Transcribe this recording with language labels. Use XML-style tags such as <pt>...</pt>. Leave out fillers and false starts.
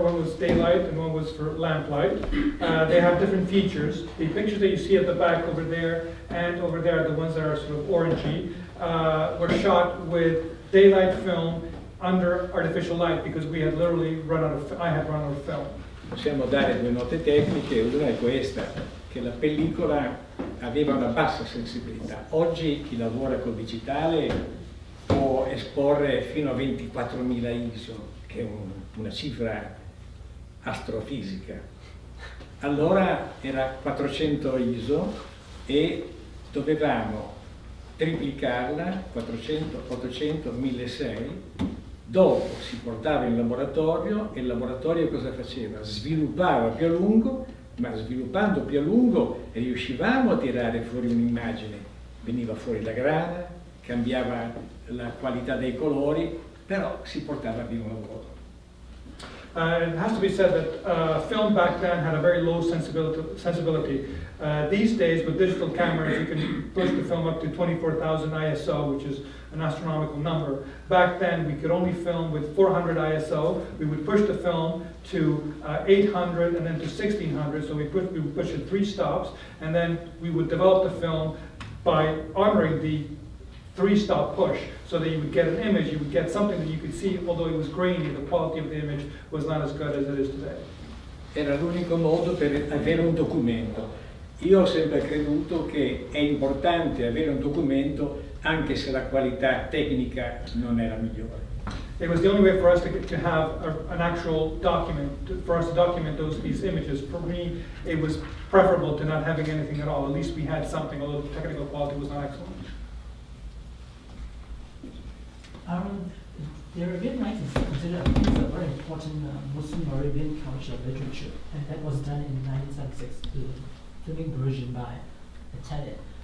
<en>One was daylight and one was for lamplight. They have different features. The pictures that you see at the back over there and over there, the ones that are sort of orangey, were shot with daylight film under artificial light because we had literally run out of film.</en> <it>Possiamo dare due note tecniche, una è questa, che la pellicola aveva una bassa sensibilità. Oggi chi lavora col digitale può esporre fino a 24.000 ISO, che è una cifra astrofisica. Allora era 400 ISO e dovevamo triplicarla, 400, 800, 1600. Dopo si portava in laboratorio e il laboratorio cosa faceva? Sviluppava più a lungo, ma sviluppando più a lungo riuscivamo a tirare fuori un'immagine. Veniva fuori la grana, cambiava la qualità dei colori, però si portava vivo il lavoro.</it> <en>It has to be said that film back then had a very low sensibility. These days, with digital cameras, you can push the film up to 24,000 ISO, which is an astronomical number. Back then, we could only film with 400 ISO. We would push the film to 800 and then to 1600, so we would push it three stops, and then we would develop the film by armoring the three-stop push, so that you would get an image, you would get something that you could see, although it was grainy, the quality of the image was not as good as it is today.</en> <it>Era l'unico modo per avere un documento. Io ho sempre creduto che è importante avere un documento anche se la qualità tecnica non era migliore.</it> <en>It was the only way for us to have an actual document, for us to document these images. For me, it was preferable to not having anything at all. At least we had something, although the technical quality was not excellent. The Arabian Nights is considered a piece of very important Muslim Arabian culture literature, and that was done in 1976, the filming version by Italian.</en>